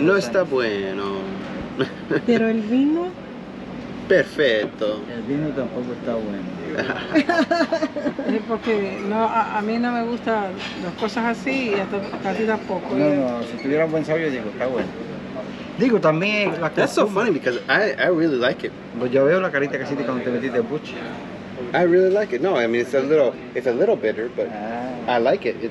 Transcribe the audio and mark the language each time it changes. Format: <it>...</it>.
<es>No está bueno. Pero el vino... Perfecto. El vino tampoco está bueno. Es porque no, a mí no me gustan las cosas así y a ti tampoco. No, no, si tuviera un buen sabor yo digo, está bueno. Digo, también la costumbre.</es> <en>That's so funny because I really like it.</en> <es>Pues yo veo la carita que hiciste cuando te metiste el buche.</es> <en>I really like it. No, I mean, it's a little bitter, but I like it.</en>